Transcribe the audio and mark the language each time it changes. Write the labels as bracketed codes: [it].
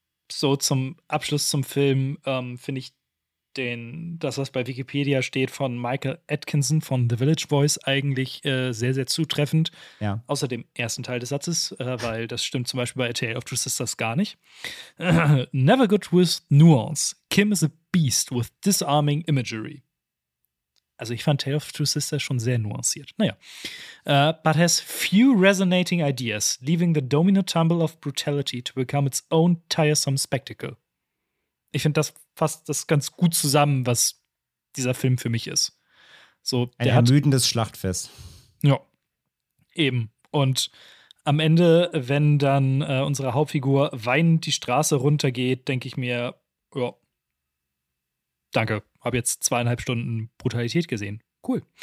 [de] So zum Abschluss zum Film finde ich das, was bei Wikipedia steht, von Michael Atkinson von The Village Voice eigentlich sehr, sehr zutreffend. Ja. Außer dem ersten Teil des Satzes, weil das stimmt zum Beispiel bei A Tale of Two Sisters gar nicht. [en] Never good with nuance. Kim is a beast with disarming imagery. [de] Also ich fand Tale of Two Sisters schon sehr nuanciert. Naja. [en] But has few resonating ideas, leaving the domino tumble of brutality to become its own tiresome spectacle. [de] Ich finde, das fasst das ganz gut zusammen, was dieser Film für mich ist. So, ein ermüdendes Schlachtfest. Ja, eben. Und am Ende, wenn dann unsere Hauptfigur weinend die Straße runtergeht, denke ich mir, ja, danke, habe jetzt 2,5 Stunden Brutalität gesehen. Cool.